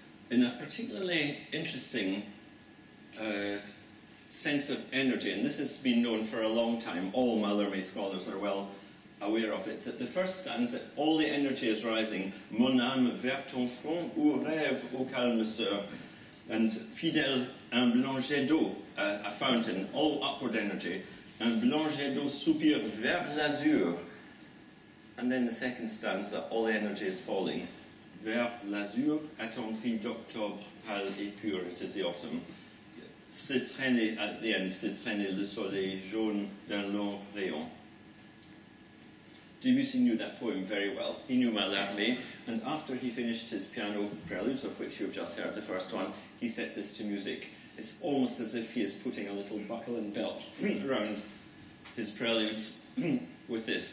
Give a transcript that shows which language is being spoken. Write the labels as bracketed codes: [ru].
[en] In a particularly interesting sense of energy, and this has been known for a long time, all Mallarmé scholars are well aware of it, that the first stanza, all the energy is rising, [fr] mon âme vers ton front, ou rêve, ou calme sœur, [en] and [fr] fidèle un blanc jet d'eau, [en] a fountain, all upward energy, [fr] Un blanc jet d'eau soupire vers l'azur. [en] And then the second stanza, all the energy is falling. [fr] Vers l'azur, attendri d'octobre, pâle et pur, [en] it is the autumn. [fr] Se traîner [en] at the end, [fr] se traîner le soleil jaune d'un long rayon. [en] Debussy knew that poem very well. He knew Mallarmé, and after he finished his piano preludes, of which you've just heard the first one, he set this to music. It's almost as if he is putting a little buckle and belt around his preludes with this.